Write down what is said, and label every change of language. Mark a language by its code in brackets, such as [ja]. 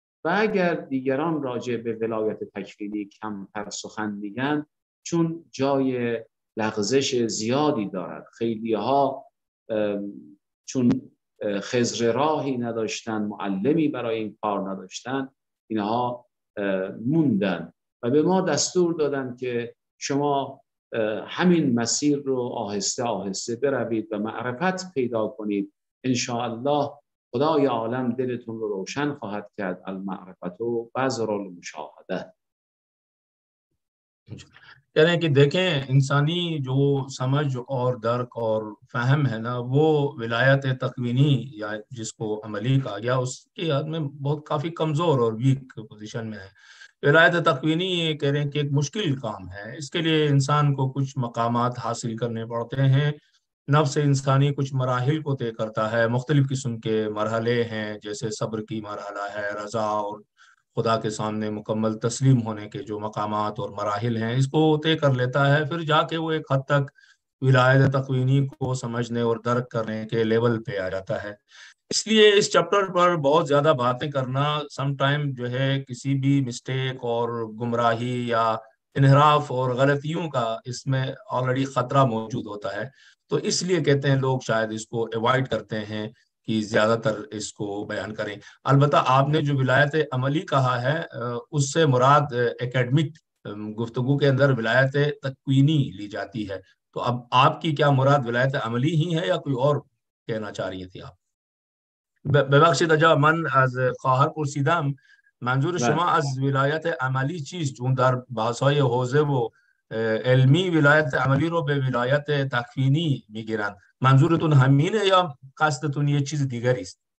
[fa] و اگر دیگران راجع به ولایت تکوینی کمتر سخن میگن، چون جای لغزش زیادی دارد، خیلی ها چون خضر راهی نداشتن، معلمی برای این کار نداشتن، اینها موندن و به ما دستور دادن که شما همین مسیر رو آهسته آهسته بروید و معرفت پیدا کنید، انشاءالله خدای عالم دلتون رو روشن خواهد کرد. [ar] المعرفت و بذر المشاهده. [ur] یعنی که دیکھیں انسانی جو سمجھ اور درک اور فہم ہے نا، وہ ولایت تقوینی یا جس کو عملی کہا گیا اس کے حد میں بہت کافی کمزور اور ویک پوزیشن میں ہے. ولایت تقوینی یہ کہہ رہے ہیں کہ ایک مشکل کام ہے، اس کے لیے انسان کو کچھ مقامات حاصل کرنے پڑتے ہیں. نفس انسانی کچھ مراحل کو طے کرتا ہے، مختلف قسم کے مرحلے ہیں، جیسے صبر کی مرحلہ ہے، رضا اور خدا کے سامنے مکمل تسلیم ہونے کے جو مقامات اور مراحل ہیں اس کو طے کر لیتا ہے. پھر جا کے وہ ایک حد تک ولایت تقوینی کو سمجھنے اور درک کرنے کے لیول پہ آ جاتا ہے. اس لیے اس چپٹر پر بہت زیادہ باتیں کرنا سم ٹائم جو ہے کسی بھی مسٹیک اور گمراہی یا انحراف اور غلطیوں کا اس میں آلریڈی خطرہ موجود ہوتا ہے، تو اس لیے کہتے ہیں لوگ شاید اس کو ایوائڈ کرتے ہیں کی زیادہ تر اس کو بیان کریں. البتہ آپ نے جو ولایت عملی کہا ہے اس سے مراد اکیڈمک گفتگو کے اندر ولایت تکوینی لی جاتی ہے، تو اب آپ کی کیا مراد ولایت عملی ہی ہے یا کوئی اور کہنا چاہ رہی تھی آپ؟ [fa] ببخشید اجا من از خواهر پرسیدم منظور شما از ولایت عملی چیز، چون در بحث‌های حوزه و علمی ولایت عملی رو به ولایت تکوینی میگیرند، منظورتون همینه یا قصدتون یه چیز دیگری است؟